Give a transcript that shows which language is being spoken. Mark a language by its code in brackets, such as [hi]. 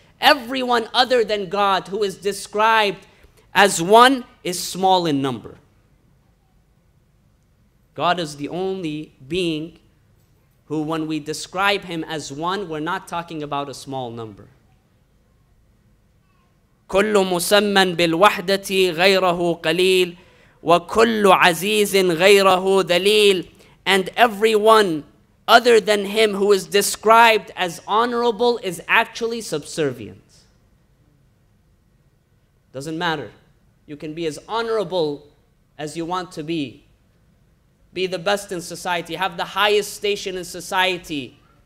[en] Everyone other than God who is described as one is small in number. God is the only being who, when we describe him as one, we're not talking about a small number. [ar] كل مسمى بالوحدة غيره قليل وكل عزيز غيره ذليل. [en] And everyone other than him who is described as honorable is actually subservient. Doesn't matter. You can be as honorable as you want to be. Be the best in society. Have the highest station in society.